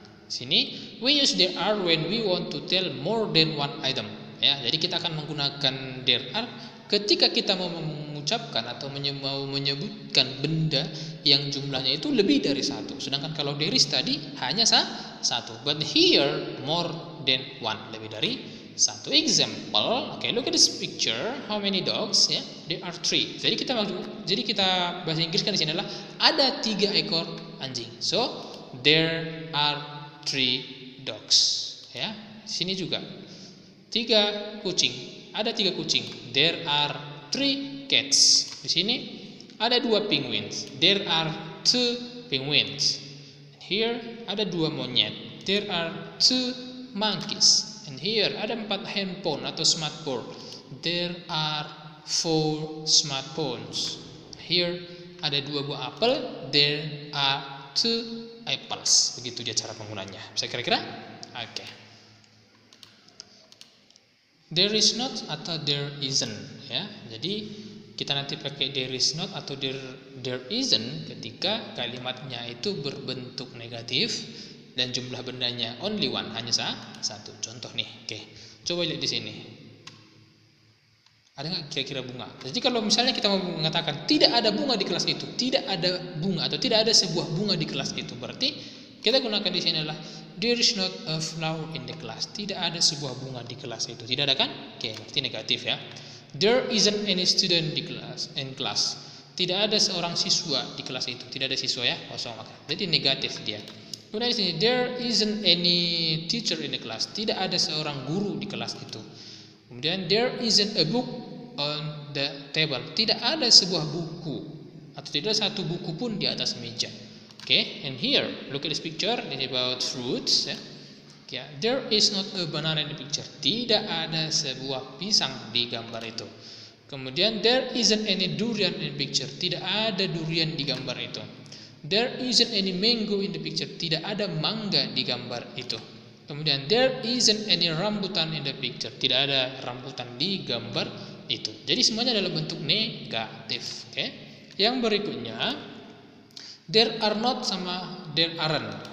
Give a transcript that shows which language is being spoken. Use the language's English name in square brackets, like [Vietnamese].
[English] Sini, we use there are when we want to tell more than one item, ya. [Indonesian] Jadi kita akan menggunakan there are ketika kita mau mengucapkan atau mau menyebutkan benda yang jumlahnya itu lebih dari satu. Sedangkan kalau there is tadi hanya satu. But here more than one, lebih dari satu. [English] Example, okay, look at this picture. How many dogs? [Indonesian] Ya, there are three. Jadi kita bahasa Inggris kan di sini adalah ada tiga ekor anjing. [English] So there are three dogs, ya. [Indonesian] Sini juga tiga kucing, ada tiga kucing. There are three cats. Di sini ada dua penguins. [English] There are two penguins. Here ada dua monyet. There are two monkeys. And here ada empat handphone atau smartphone. There are four smartphones. Here ada dua buah apel. There are two apples. [Indonesian] Begitu dia cara penggunanya. Bisa kira-kira? Oke. [English] There is not atau there isn't, ya. Jadi [Indonesian] kita nanti pakai there is not atau there isn't ketika kalimatnya itu berbentuk negatif dan jumlah bendanya only one, hanya satu. Contoh nih, oke. Coba lihat di sini. Ada enggak kira-kira bunga? Jadi kalau misalnya kita mau mengatakan tidak ada bunga di kelas itu, tidak ada bunga atau tidak ada sebuah bunga di kelas itu, berarti kita gunakan di sini adalah there is not a flower in the class. Tidak ada sebuah bunga di kelas itu. Tidak ada kan? Oke, berarti negatif ya. There isn't any student in class. Tidak ada seorang siswa di kelas itu. Tidak ada siswa ya, kosong maka. Jadi negatif dia. [English] Kemudian di sini there isn't any teacher in the class. [Indonesian] Tidak ada seorang guru di kelas itu. [English] Kemudian there isn't a book on the table. [Indonesian] Tidak ada sebuah buku atau tidak ada satu buku pun di atas meja. [English] Okay, and here look at this picture. This is about fruits. Yeah. Yeah, there is not a banana in the picture. Tidak ada sebuah pisang di gambar itu. Kemudian there isn't any durian in the picture. Tidak ada durian di gambar itu. There isn't any mango in the picture. [Indonesian] Tidak ada mangga di gambar itu. Kemudian there isn't any rambutan in the picture. Tidak ada rambutan di gambar itu. Jadi semuanya dalam bentuk negatif. Okay. Yang berikutnya, there are not sama there aren't.